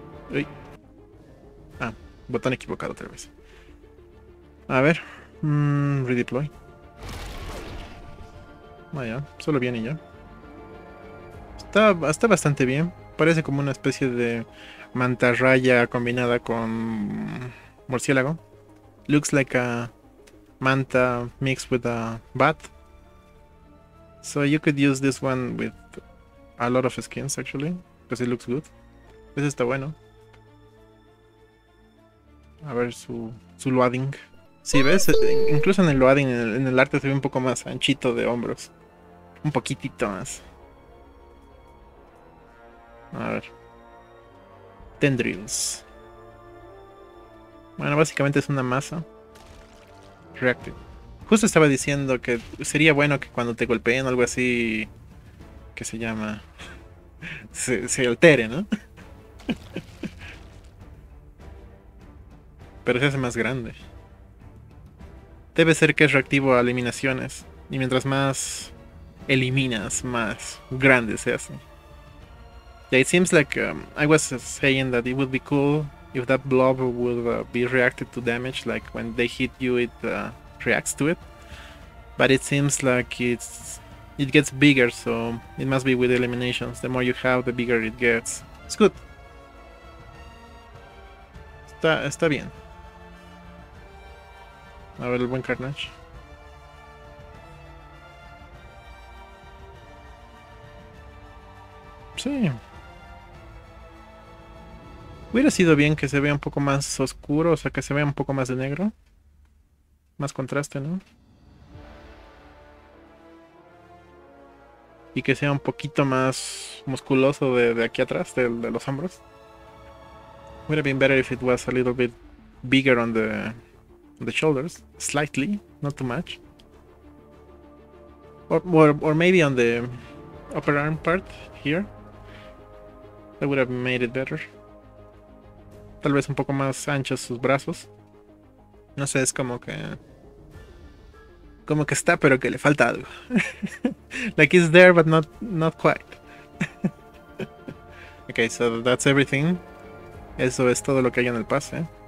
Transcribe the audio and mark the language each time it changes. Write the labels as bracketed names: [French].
[Spanish] Uy. Ah, botón equivocado otra vez. A ver. [English] Redeploy. [Spanish] Vaya, solo viene ya. Está bastante bien. Parece como una especie de mantarraya combinada con murciélago. [English] Looks like a manta mixed with a bat. So you could use this one with a lot of skins actually, because it looks good. [Spanish] Este está bueno. A ver su loading. Sí, ves, incluso en el loading, en el arte se ve un poco más anchito de hombros. Un poquitito más. A ver. Tendrils. Bueno, básicamente es una masa. Reactive. Justo estaba diciendo que sería bueno que cuando te golpeen o algo así, que se llama, se altere, ¿no? pero se hace más grande. Debe ser que es reactivo a eliminaciones, y mientras más eliminas, más grande se hace. [English] Yeah, it seems like I was saying that it would be cool if that blob would be reacted to damage, like when they hit you, it reacts to it. But it seems like it gets bigger, so it must be with eliminations. The more you have, the bigger it gets. It's good. [Spanish] Está bien. A ver, el buen Carnage. Sí. Hubiera sido bien que se vea un poco más oscuro, o sea, que se vea un poco más de negro. Más contraste, ¿no? Y que sea un poquito más musculoso de aquí atrás, de los hombros. [English] Would have been better if it was a little bit bigger on the shoulders. Slightly, not too much. Or maybe on the upper arm part here. That would have made it better. [Spanish] Tal vez un poco más anchos sus brazos. No sé, es como que está, pero que le falta algo. [English] Like it's there, but not quite. Okay, so that's everything. [Spanish] Eso es todo lo que hay en el pase.